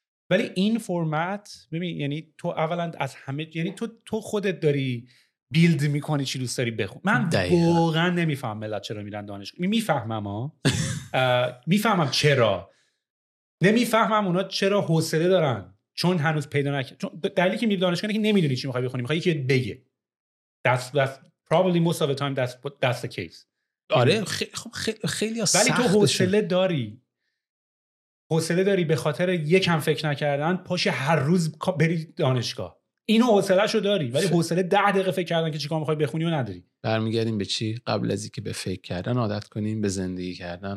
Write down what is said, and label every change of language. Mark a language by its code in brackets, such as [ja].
[fa] ولی این فرمت ببین، یعنی تو اولا از همه، یعنی تو خودت داری بیلد میکنی چی دوست داری بخون. من واقعا نمیفهم ملت چرا میرن دانشگاه. میفهمم ها، میفهمم چرا، نمیفهمم اونا چرا حوصله دارن، چون هنوز پیدا نکردن. چون دلیلی که میری دانشگاه که نمیدونی چی میخوای بخونی، میخوای یکی بگه. دست [en] probably most of the time that's the case. [fa] آره خب خیلی سخت، ولی تو حوصله داری، حوصله داری به خاطر یکم فکر نکردن پاش هر روز بری دانشگاه، اینو حوصله‌شو داری، ولی حوصله 10 دقیقه فکر کردن که چیکار می‌خوای بخونی و نداری. برمیگردیم به چی؟ قبل از اینکه به فکر کردن عادت کنیم به زندگی کردن.